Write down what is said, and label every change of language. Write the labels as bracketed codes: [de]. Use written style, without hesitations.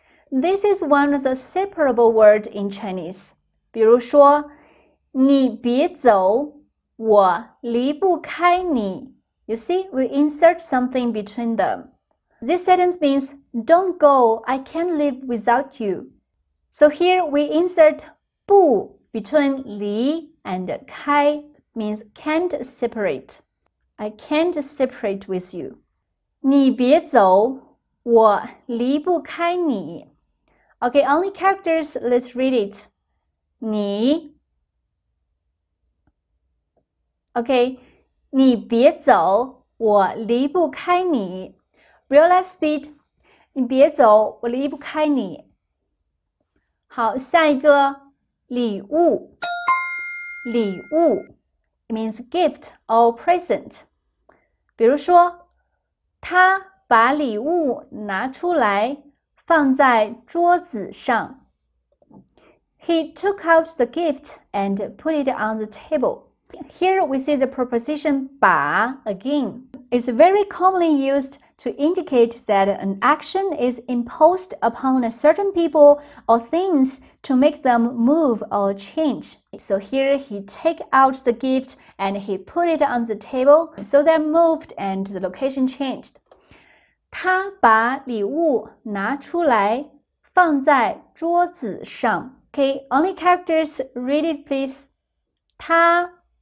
[en] This is one of the separable word in Chinese. [zh] 比如说，你别走，我离不开你。 [en] You see, we insert something between them. This sentence means, don't go, I can't live without you. So here we insert 不 between 离 and 开 means can't separate. I can't separate with you. [zh] 你别走，我离不开你。 [en] Okay, only characters, let's read it. [zh] 你 Okay, 你别走，我离不开你。 [en] Real life speed, [zh] 你别走，我离不开你。好，下一个，礼物，礼物 [en] It means gift or present. [zh] 比如说，他把礼物拿出来放在桌子上。 [en] He took out the gift and put it on the table. Here we see the preposition 把 again. It's very commonly used to indicate that an action is imposed upon a certain people or things to make them move or change. So here he took out the gift and he put it on the table. So they moved and the location changed. [zh] 他把礼物拿出来放在桌子上。 [en] Okay, only characters, read it please. [zh] 他